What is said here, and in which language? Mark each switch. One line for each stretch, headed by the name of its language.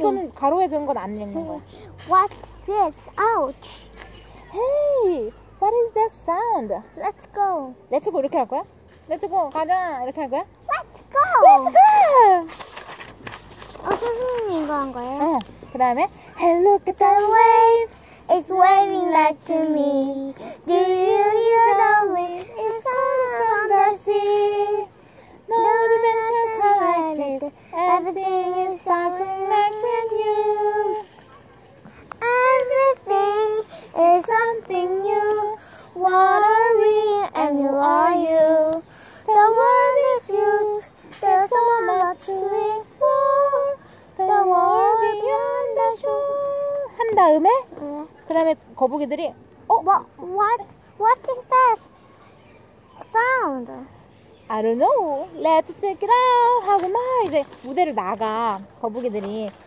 Korean: 이거는 가로에 든 건 안 읽는 거야.
English: What's this? Ouch. Hey, what is that sound? Let's go. Let's go
Korean: 이렇게 할 거야? Let's go 가자 이렇게 할 거야?
English: Let's go. Let's go.
Korean: 어, 선생님 이거 한 거예요? 어. 그 다음에
English: Hey, look at the wave. It's waving back to me. Do you hear the wind? It's coming from the sea. No adventure like this. Everything is something like new. Everything is something new. What are we and who are you? The world is huge. There's so much to explore. The world beyond the shore.
Korean: 한 다음에? 그 다음에 거북이들이 어?
English: What is this sound? I don't know. Let's check it out.
Korean: 하고 막 이제 무대를 나가 거북이들이.